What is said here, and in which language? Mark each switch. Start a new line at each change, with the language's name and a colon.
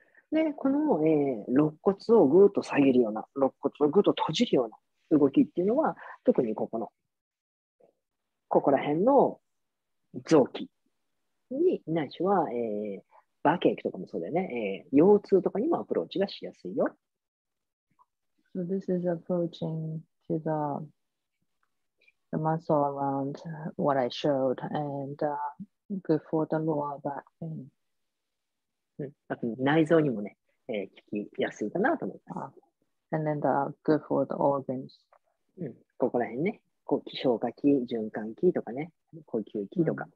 Japanese: で、この、肋骨をぐーっと下げるような、肋骨をぐーっと閉じるような動きっていうのは、特にここの、ここら辺の臓器に、ないしは、バケークとかもそうだよね、腰痛とかにもアプローチがしやすいよ。
English: So this is approaching to the muscle around what I showed and good for the lower back pain.
Japanese: あと内臓にもね、効きやすいかなと思います。
English: And then the good for the organs.
Japanese: ここら辺ね。消化器、循環器とかね、呼吸器とか、